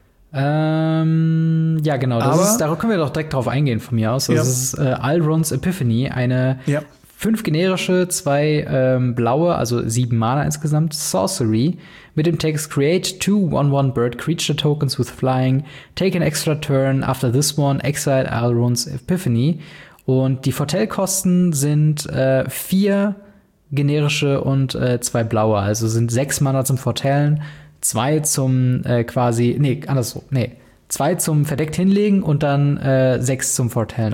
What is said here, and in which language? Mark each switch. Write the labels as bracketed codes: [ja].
[de] Ja, genau. Das ist, darauf können wir doch direkt drauf eingehen von mir aus. Das, ja, ist Alrond's Epiphany, eine, ja, 5 generische, 2 blaue, also 7 Mana insgesamt, Sorcery mit dem Text: [en] Create 2/1/1 Bird Creature Tokens with Flying. Take an extra turn after this one. Exile Alrond's Epiphany. [de] Und die Fortellkosten sind 4 generische und 2 blaue. Also sind 6 Mana zum Fortellen, 2 zum quasi, nee, andersrum, nee, 2 zum verdeckt hinlegen und dann 6 zum Fortellen.